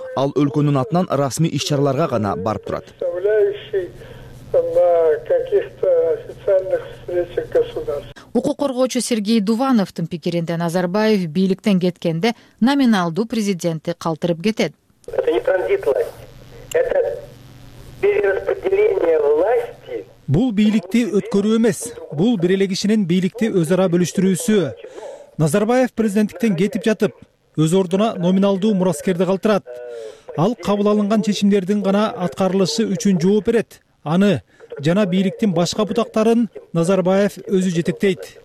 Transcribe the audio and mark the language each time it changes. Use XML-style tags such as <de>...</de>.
<ky>Ал өлкөнүн атынан расмий иш-чараларга гана барып турат. Укук коргоочу Сергей Дувановдун пикиринде Назарбаев бийликтен кеткенде номиналдуу президентти калтырып кетет.</ky> <ru>Это не транзит власти. Это перераспределение власти.</ru> <ky>Бул бийликти өткөрүү эмес. Бул бир эле кишинин бийликти өз ара бөлүштүрүүсү. Назарбаев президенттиктен кетип жатып, өз ордуна номиналдуу мураскерди калтырат. Ал кабыл алынган чечимдердин гана аткарылышы үчүн жооп берет. Аны жана бийликтин башка бутактарын Назарбаев өзү жетектейт.</ky>